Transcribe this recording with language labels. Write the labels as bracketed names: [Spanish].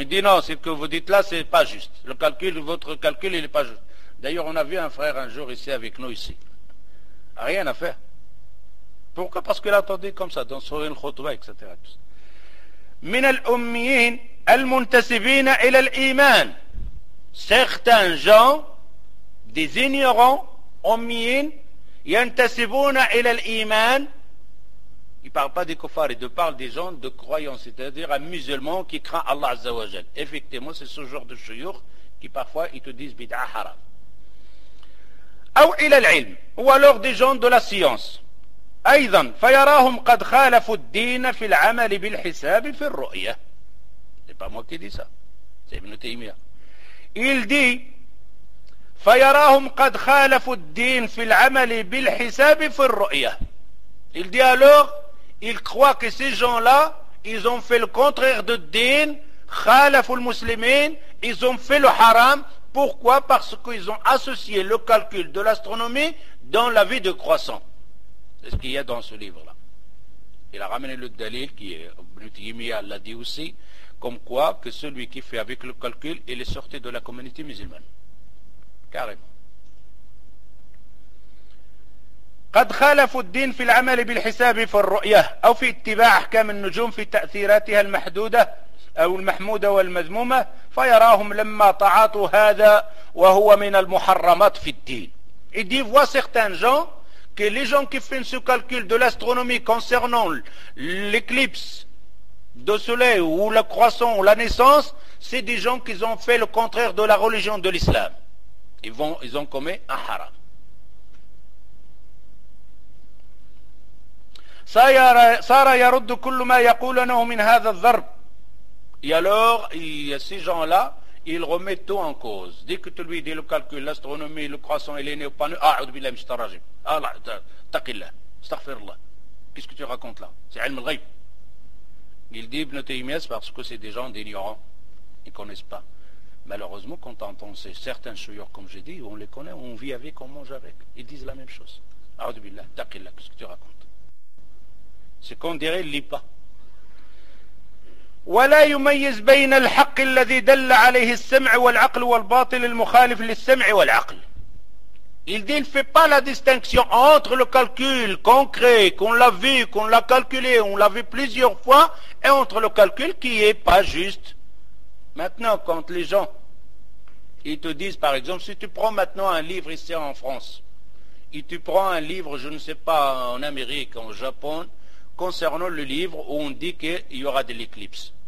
[French] Il dit non, ce que vous dites là c'est pas juste. Le calcul, votre calcul, il est pas juste. D'ailleurs, on a vu un frère un jour ici avec nous ici. Rien à faire. Pourquoi? Parce qu'il attendait comme ça dans son khutbah, etc. [Arabic] من الأميين المنتسبين إلى الإيمان. [French] Certains gens, des ignorants, [Arabic] أميين, ينتسبون إلى الإيمان. [French] Il ne parle pas des kuffars, il parle des gens de croyance, c'est-à-dire un musulman qui craint Allah Azza wa Jal. Effectivement, c'est ce genre de shuyukh qui parfois ils te disent bid'a haram. [Arabic] أو إلى العلم. [French] Ou alors des gens de la science. [Arabic] أيضا فيراهم قد خالفوا الدين في العمل بالحساب في الرؤية. [French] C'est pas moi qui dis ça. C'est Ibn Taymiyyah. Il dit [Arabic] فيراهم قد خالفوا الدين في العمل بالحساب في الرؤية. [French] Il dit alors, il croit que ces gens-là, ils ont fait le contraire de الدين, [Arabic] خالفوا المسلمين, [French] ils ont fait le haram. Pourquoi? Parce qu'ils ont associé le calcul de l'astronomie dans la vie de croissant. C'est ce qu'il y a dans ce livre-là. Il a ramené le dalil qui est, Ibn Taymiyyah l'a dit aussi, comme quoi que celui qui fait avec le calcul, il est sorti de la communauté musulmane. Carrément. [Arabic] قد خالفوا الدين في العمل بالحساب في الرؤية أو في اتباع أحكام النجوم في تأثيراتها المحدودة أو المحمودة والمذمومة فيراهم لما تعاطوا هذا وهو من المحرمات في الدين. [French] Il dit, voit certains gens que les gens qui font ce calcul de l'astronomie concernant l'éclipse de soleil ou la croissance ou la naissance, c'est des gens qui ont fait le contraire de la religion de l'islam. Ils ont commis un haram. [Arabic] Sara yaruddu kullu ma yaqulunahu min hadha al-dharb. [French] Et alors, il y a ces gens-là, ils remettent tout en cause. Dès que tu lui dis le calcul, l'astronomie, le croissant, il est né au panneau. Ah, [Arabic] A'udhu billahi minash shaitanir rajim. [French] Allah, taqillah, astaghfirullah. Qu'est-ce que tu racontes là? C'est ilm al-ghayb. Il dit Ibn Taymiyyah parce que c'est des gens d'ignorants. Ils ne connaissent pas. Malheureusement, quand on entend certains chouyurs, comme j'ai dit, on les connaît, on vit avec, on mange avec. Ils disent la même chose. [Arabic] A'udhu billahi, [French] taqillah, qu'est-ce que tu racontes? C'est qu'on dirait, il ne lit pas. [Arabic] ولا يميز بين الحق الذي دل عليه السمع والعقل والباطل المخالف للسمع والعقل. [French] Il dit, il ne fait pas la distinction entre le calcul concret qu'on l'a vu, qu'on l'a calculé, on l'a vu plusieurs fois, et entre le calcul qui n'est pas juste. Maintenant, quand les gens, ils te disent, par exemple, si tu prends maintenant un livre ici en France, et tu prends un livre, je ne sais pas, en Amérique, en Japon, concernant le livre où on dit qu'il y aura de l'éclipse.